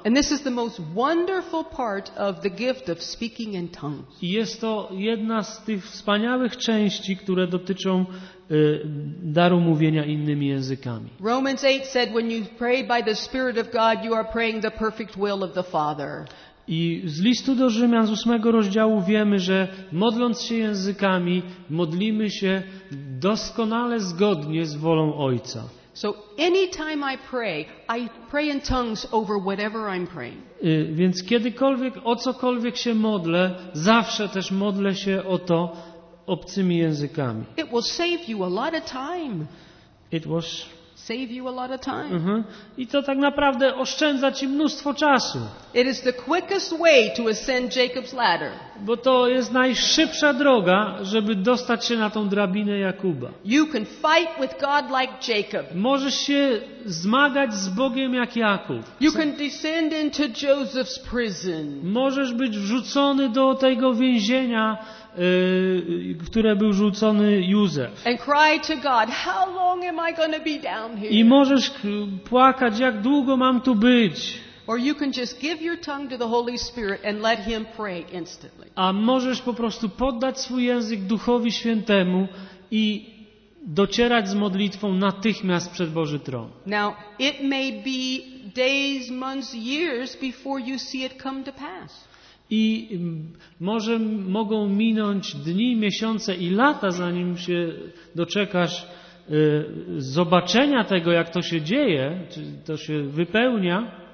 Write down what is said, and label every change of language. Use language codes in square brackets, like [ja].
[en] And this is the most wonderful part of the gift of speaking in tongues. [pl] I jest to jedna z tych wspaniałych części, które dotyczą daru mówienia innymi językami. [en] Romans 8 said when you pray by the Spirit of God, you are praying the perfect will of the Father. [pl] I z listu do Rzymian z 8 rozdziału wiemy, że modląc się językami, modlimy się doskonale zgodnie z wolą Ojca. [en] So anytime I pray in tongues over whatever I'm praying. [pl] Więc kiedykolwiek, o cokolwiek się modlę, zawsze też modlę się o to obcymi językami. [en] It will save you a lot of time. It was save you a lot of time. Mhm. [pl] I to tak naprawdę oszczędza ci mnóstwo czasu. [en] It is the quickest way to ascend Jacob's ladder. [pl] Bo to jest najszybsza droga, żeby dostać się na tą drabinę Jakuba. [en] You can fight with God like Jacob. [pl] Możesz się zmagać z Bogiem jak Jakub. [en] You can descend into Joseph's prison. [pl] Możesz być wrzucony do tego więzienia, które był rzucony Józef. [en] And cry to God, how long am I going to be down here? [pl] I możesz płakać, jak długo mam tu być. [en] Or you can just give your tongue to the Holy Spirit and let him pray instantly. [pl] A możesz po prostu poddać swój język Duchowi Świętemu i docierać z modlitwą natychmiast przed Boży tron. [en] Now, it may be days, months, years before you see it come to pass. [pl] I może mogą minąć dni, miesiące i lata, zanim się doczekasz zobaczenia tego, jak to się dzieje, czy to się wypełnia.